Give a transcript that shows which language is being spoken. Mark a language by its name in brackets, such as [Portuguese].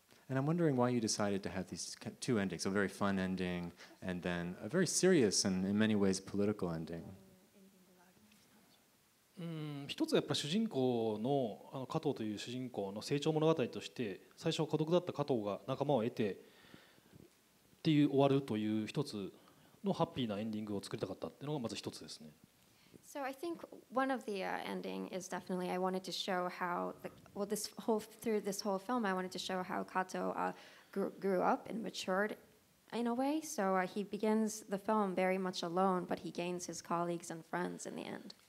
[English] And I'm wondering why you decided to have these two endings, a very fun ending and then a very serious and in many ways political ending. [Japanese] 一つはやっぱり主人公 の, あの加藤という主人公の成長物語として、最初孤独だった加藤が仲間を得てっていう終わるという一つのハッピーなエンディングを作りたかったっていうのがまず一つですね。 [English] So I think one of the ending is definitely I wanted to show how the, well this whole through this whole film I wanted to show how Kato grew up and matured in a way. So he begins the film very much alone, but he gains his colleagues and friends in the end.